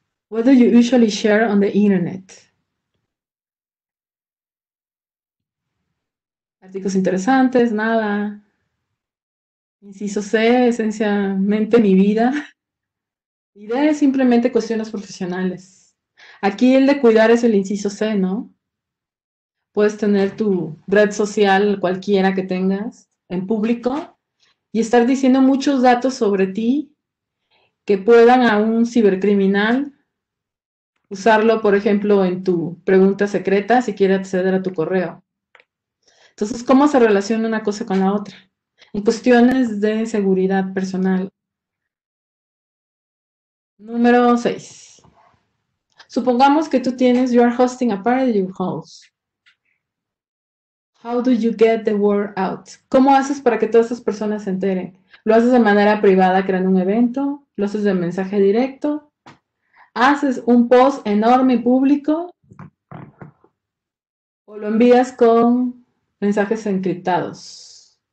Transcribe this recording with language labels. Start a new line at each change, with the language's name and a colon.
English: What do you usually share on the internet?
Spanish: Artículos interesantes, nada. Inciso C, esencialmente mi vida. Idea es simplemente cuestiones profesionales. Aquí el de cuidar es el inciso C, ¿no? Puedes tener tu red social cualquiera que tengas en público y estar diciendo muchos datos sobre ti que puedan a un cibercriminal usarlo, por ejemplo, en tu pregunta secreta si quiere acceder a tu correo. Entonces, ¿cómo se relaciona una cosa con la otra? En cuestiones de seguridad personal. Número 6. Supongamos que tú tienes,
English: you are hosting a party at your house. How do you get the word out?
Spanish: ¿Cómo haces para que todas esas personas se enteren? ¿Lo haces de manera privada creando un evento? ¿Lo haces de mensaje directo? ¿Haces un post enorme y público? ¿O lo envías con mensajes encriptados?